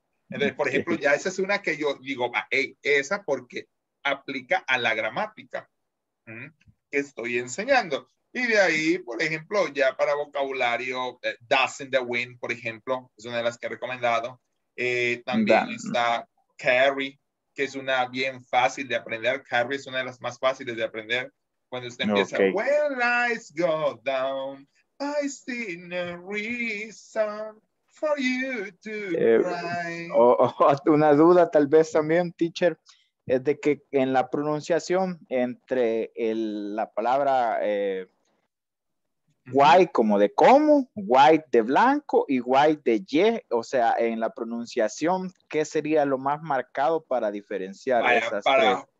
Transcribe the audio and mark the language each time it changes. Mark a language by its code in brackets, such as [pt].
[es] Entonces, por ejemplo, ya esa es una que yo digo, hey, esa porque aplica a la gramática que estoy enseñando. Y de ahí, por ejemplo, ya para vocabulario, Dust in the Wind, por ejemplo, es una de las que he recomendado. También está Carrie, que es una bien fácil de aprender. Carrie es una de las más fáciles de aprender. Cuando usted empieza, okay. [en] When lights go down, I see no reason for you to cry. [es] Una duda tal vez también, teacher, es de que en la pronunciación entre la palabra white, como de cómo, white de blanco y white de ye, o sea, en la pronunciación, ¿qué sería lo más marcado para diferenciar esas tres?